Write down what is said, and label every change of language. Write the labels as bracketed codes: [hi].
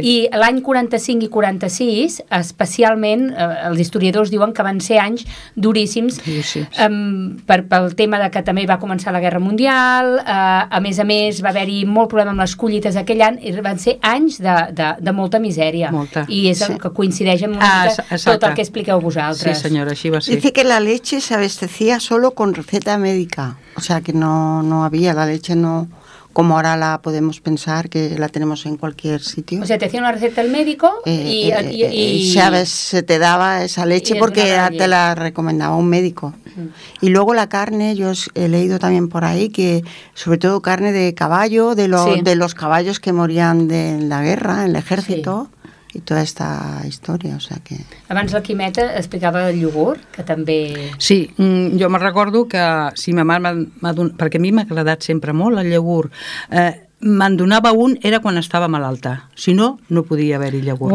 [ca] I l'any 45 i 46, especialment, els historiadors diuen que van ser anys duríssims, pel tema de que també va començar la Guerra Mundial, a més, va haver-hi molt problema amb les collites aquell any, i van ser anys de molta misèria. Molta. I és el que coincideix amb tot el que expliqueu vosaltres. Sí, senyora, així va ser. [es] Dice que la leche se abastecía solo con receta médica, o sea, que no había, la leche no... Como ahora la podemos pensar que la tenemos en cualquier sitio. O sea, te hacía una receta el médico y sabes, se te daba esa leche porque te la recomendaba un médico. Y luego la carne, yo he leído también por ahí que sobre todo carne de caballo, de los caballos que morían en la guerra, en el ejército. Sí. [ca] I tota aquesta història, o sigui que... Abans la Quimeta explicava el iogurt, que també... Sí, jo me recordo que si ma mare m'ha donat... Perquè a mi m'ha agradat sempre molt el iogurt. Me'n donava un, era quan estava malalta. Si no, no podia haver-hi iogurt.